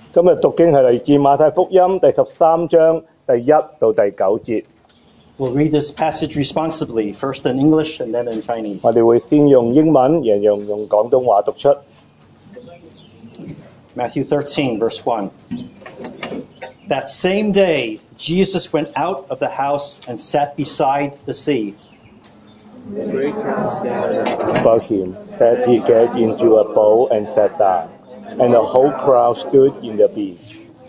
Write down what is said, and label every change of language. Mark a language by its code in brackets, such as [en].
[zh] 今日读经是来自马太福音第十三章第一到第九节。 [en] We'll read this passage responsively, first in English and then in Chinese. [zh] 我们会先用英文，然后用广东话读出。 [en] Matthew 13, verse 1. That same day, Jesus went out of the house and sat beside the sea. Above him sat he get into a boat and sat down, and the whole crowd stood in the beach.